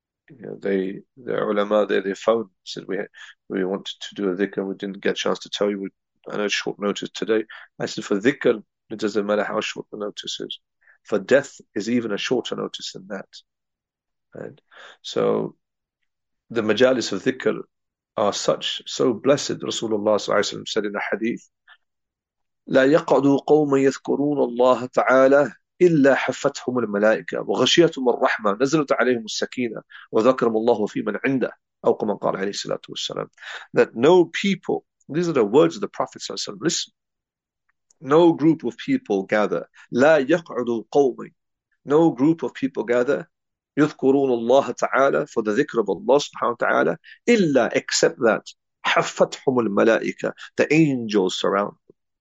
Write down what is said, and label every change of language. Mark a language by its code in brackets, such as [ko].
[en] You know, the ulama, they phoned and said, we wanted to do a dhikr. We didn't get a chance to tell you. I know short notice today. I said, for dhikr, it doesn't matter how short the notice is. For death is even a shorter notice than that. Right? So the majalis of dhikr are so blessed. [ar] Rasulullah said in a hadith, لَا يَقْعُدُوا قَوْمًا يَذْكُرُونَ اللَّهَ تَعَالَى إِلَّا حَفَّتْهُمُ الْمَلَائِكَةُ وَغَشِيَتْهُمُ الرَّحْمَةُ نَزَلَتْ عَلَيْهِمُ السَّكِينَةُ وَذَكَرَهُمُ اللَّهُ فِيمَنْ عِنْدَهُ أَوْ كَمَا قَالَ عَلَيْهِ الصَّلَاةُ وَالسَّلَامُ. [en] That no people, these are the words of the Prophet صلى الله عليه وسلم, listen, no group of people gather, [ar] لَا يَقْعُدُوا قَوْمًا, [en] no group of people gather, [ar] يذكرون الله تعالى [en] for the ذكر of Allah subhanahu wa ta'ala, إلا except that [ar] حفتهم الملائكة, [en] the angels surround them.